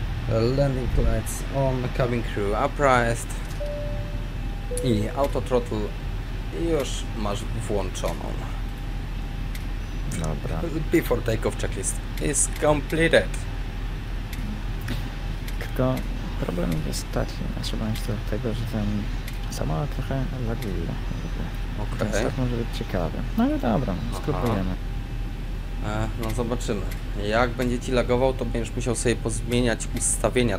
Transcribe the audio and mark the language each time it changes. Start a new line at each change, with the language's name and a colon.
English: Landing lights on, cabin crew uprised i auto throttle
Polish: już masz włączoną. Dobra.
English: Before takeoff checklist is completed.
Polish: Tylko problem jest taki, znaczy mam się do tego, że ten samolot trochę zagubił. Okej. Okay. Może być ciekawy. No ale dobra, spróbujemy. No zobaczymy. Jak będzie ci lagował, to będziesz musiał sobie pozmieniać ustawienia.